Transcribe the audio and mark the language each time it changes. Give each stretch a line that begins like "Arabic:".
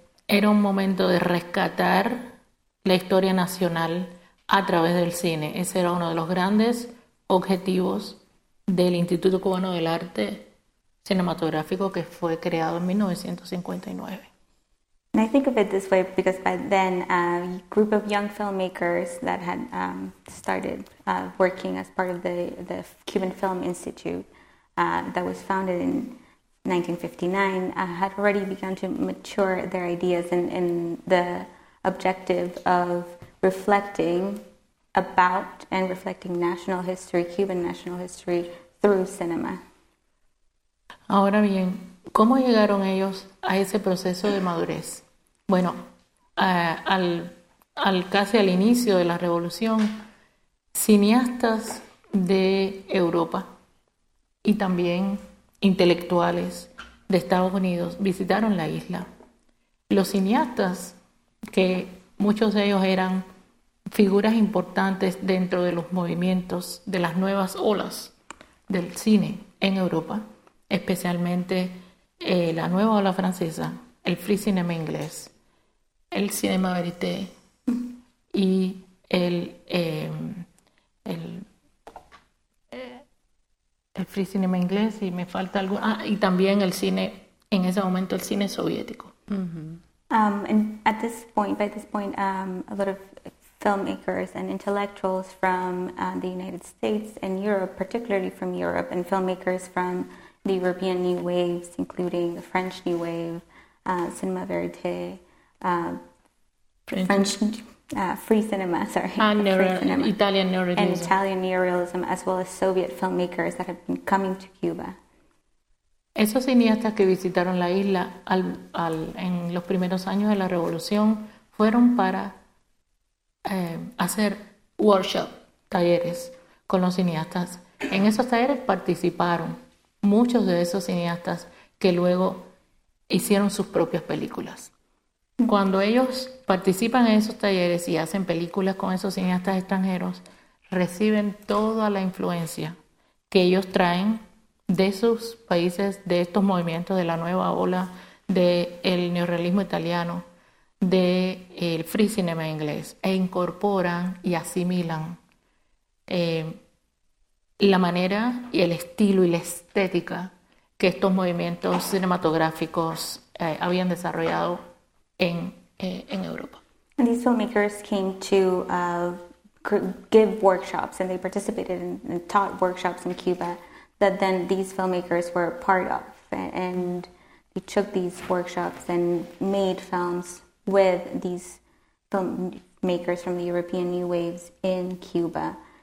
Spanish: Era un momento de rescatar la historia nacional a través del cine. Ese era uno de los grandes objetivos del Instituto Cubano del Arte Cinematográfico, que fue creado en 1959.
English: And I think of it this way because by then a group of young filmmakers that had started working as part of the Cuban Film Institute that was founded in 1959 had already begun to mature their ideas in the objective of reflecting about and reflecting national history, Cuban national history, through cinema.
Spanish: Ahora bien, ¿cómo llegaron ellos a ese proceso de madurez? Bueno, casi al inicio de la revolución, cineastas de Europa y también intelectuales de Estados Unidos visitaron la isla. Los cineastas, que muchos de ellos eran figuras importantes dentro de los movimientos de las nuevas olas del cine en Europa, especialmente la nueva ola francesa, el free cinema inglés, el cinema verité y el free cinema inglés y me falta algo y también el cine en ese momento el cine soviético.
English: And at this point, by this point, a lot of filmmakers and intellectuals from the United States and Europe, particularly from Europe, and filmmakers from the European New Waves, including the French New Wave, cinema verité. Italian neorealism, as well as Soviet filmmakers that have been coming to Cuba.
Spanish: Esos cineastas que visitaron la isla en los primeros años de la revolución fueron para hacer workshop, talleres con los cineastas. En esos talleres participaron muchos de esos cineastas que luego hicieron sus propias películas. Cuando ellos participan en esos talleres y hacen películas con esos cineastas extranjeros, reciben toda la influencia que ellos traen de sus países, de estos movimientos, de la nueva ola del neorrealismo italiano, del free cinema inglés, e incorporan y asimilan la manera y el estilo y la estética que estos movimientos cinematográficos habían desarrollado en Europa.
English: And these filmmakers came to give workshops, and they participated and taught workshops in Cuba that then these filmmakers were part of, and they took these workshops and made films with these filmmakers from the European New Waves in Cuba.